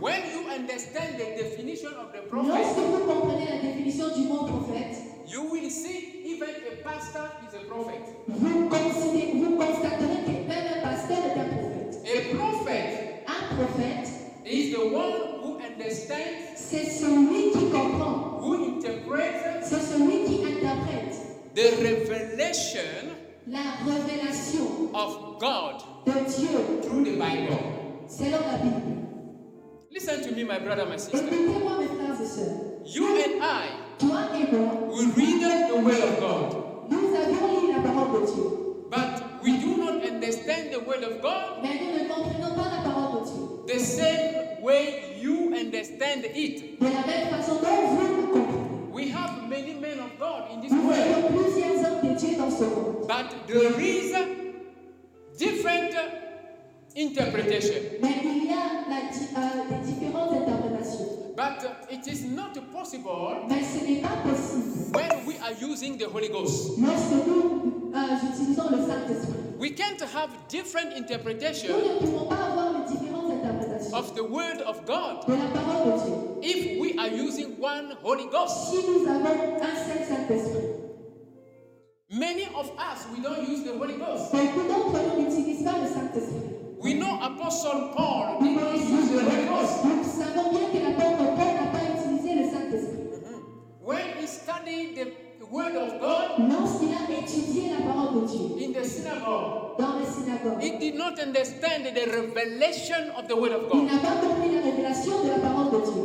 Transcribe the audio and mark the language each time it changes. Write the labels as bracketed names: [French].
[English] When you understand the definition of the prophet, [French] lorsque vous comprenez la définition du mot prophète, [English] you will see even a pastor is a prophet. [French] Vous constaterez que même un pasteur est un prophète. [English] A prophet, [French] un prophète, [English] is the one who understands, [French] c'est celui qui comprend, [English] who interprets, [French] c'est celui qui interprète, [English] the revelation, [French] la révélation, [English] of God, [French] de Dieu, [English] through the Bible, [French] selon la Bible. [English] Listen to me, my brother, my sister. [French] Écoutez-moi, mes frères et sœurs. [English] You and I, [French] toi et moi, [English] we read the word of God. [French] Nous avons lu la parole de Dieu. [English] But we do not understand the word of God. [French] Mais nous ne comprenons pas la parole de Dieu. [English] The same way you understand it. [French] De la même façon dont vous comprenez. [English] We have many men of God in this [French] nous [English] world. [French] Nous avons plusieurs hommes de Dieu dans ce monde. [English] But there is a different interpretation. [French] Mais il y a des différentes interprétations. [English] But it is not possible. [French] Mais ce n'est pas possible. [English] When we are using the Holy Ghost, [French] lorsque nous utilisons le Saint-Esprit, [English] we can't have different interpretation. [French] Nous ne pouvons pas avoir les différentes interprétations [English] of the Word of God. [French] De la parole de Dieu. [English] If we are using one Holy Ghost, [French] si nous avons un seul Saint-Esprit. [English] Many of us, we don't use the Holy Ghost. [French] Beaucoup d'entre nous n'utilisent pas le Saint-Esprit. [English] We know Apostle Paul did not use the Holy Ghost. [French] Nous savons bien que l'apôtre Paul n'a pas utilisé le Saint-Esprit. [English] When he studied the Word of God, [French] lorsqu'il a étudié la parole de Dieu, [English] in the synagogue, [French] dans le synagogue, [English] he did not understand the revelation of the Word of God. [French] Il n'a pas compris la révélation de la parole de Dieu.